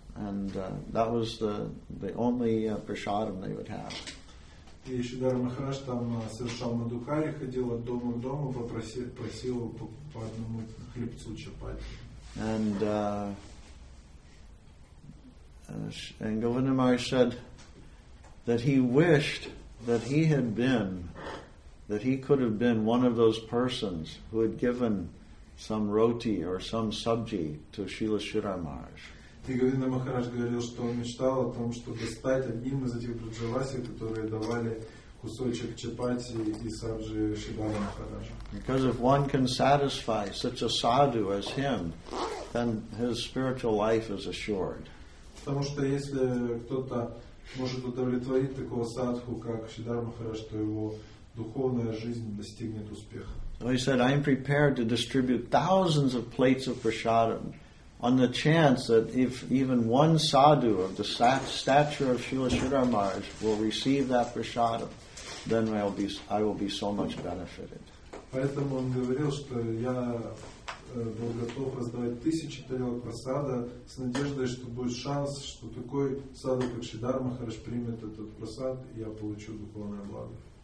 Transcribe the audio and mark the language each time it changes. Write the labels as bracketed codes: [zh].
[en] And that was the only prasadam they would have. [ru] И Шридхар Махарадж там совершал мадхукари, ходил от дома к дому, просил по одному хлебцу чапати. [en] And Govinda Maharaj said that he wished that he had been, that he could have been one of those persons who had given some roti or some sabji to Srila Sridhar Maharaj. [ru] И Говинда Махарадж говорил, что он мечтал о том, чтобы стать одним из этих браджаваси, которые давали кусочек чапати и сабжи Шридхара Махараджу. [en] Because if one can satisfy such a sadhu as him, then his spiritual life is assured. [ru] Потому что если кто-то может удовлетворить такого садху, как Шридхар Махарадж, то его духовная жизнь достигнет успеха. [en] So he said, I'm prepared to distribute thousands of plates of prasadam on the chance that if even one sadhu of the stature of Srila Sridhar Maharaj will receive that prasadam, then I will be so much benefited. [ru] Поэтому он говорил, что я был готов раздавать тысячи тарелок прасада с надеждой, что будет шанс, что такой садху, как Шридхар Махарадж, примет этот прасад, и я получу духовное благо.